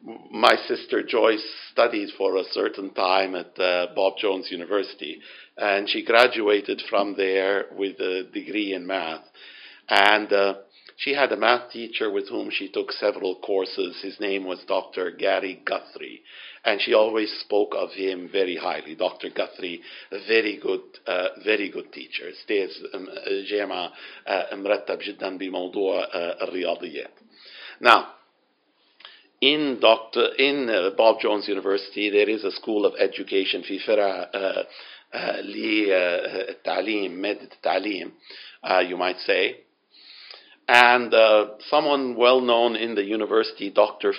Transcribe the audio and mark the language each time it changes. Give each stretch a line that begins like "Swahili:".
English: My sister Joyce studied for a certain time at Bob Jones University, and she graduated from there with a degree in math. And she had a math teacher with whom she took several courses. His name was Dr. Gary Guthrie, and she always spoke of him very highly. Dr. Guthrie, very good teacher.
Arabic: استاذ جامعة مرتب جدا بموضوع الرياضيات.
English: Now, in Bob Jones University, there is a school of education
Arabic: في فرع للتعليم, مادة التعليم,
English: you might say. And someone well known in the university, Dr.